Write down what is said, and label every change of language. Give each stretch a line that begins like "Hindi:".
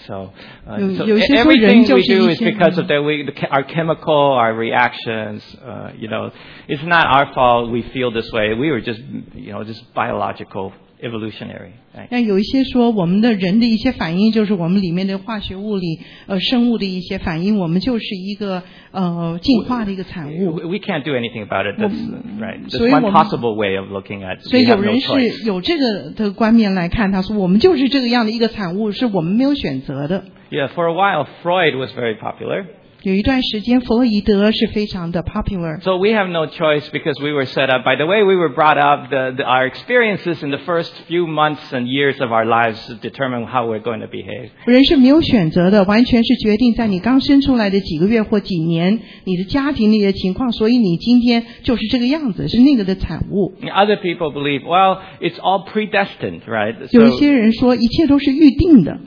English: So everything we do is because of that. Our chemical, our reactions. It's not our fault we feel this way. We were just biological. Evolutionary.
Chinese: 那有一些说我们的人的一些反应就是我们里面的化学物理生物的一些反应，我们就是一个进化的一个产物。
English: We can't do anything about it. That's right. That's one possible way of looking at.
Chinese: 所以有人是有这个的观念来看，他说我们就是这个样的一个产物，是我们没有选择的。
English: Yeah, for a while, Freud was very popular.
Chinese: 有一段时间，弗洛伊德是非常的 popular。
English: So we have no choice because we were set up. By the way, we were brought up. Our experiences in the first few months and years of our lives determine how we're going to behave.
Chinese: 人是没有选择的，完全是决定在你刚生出来的几个月或几年，你的家庭那些情况，所以你今天就是这个样子，是那个的产物。
English: Other people believe, well, it's all predestined, right?
Chinese: 有一些人说一切都是预定的。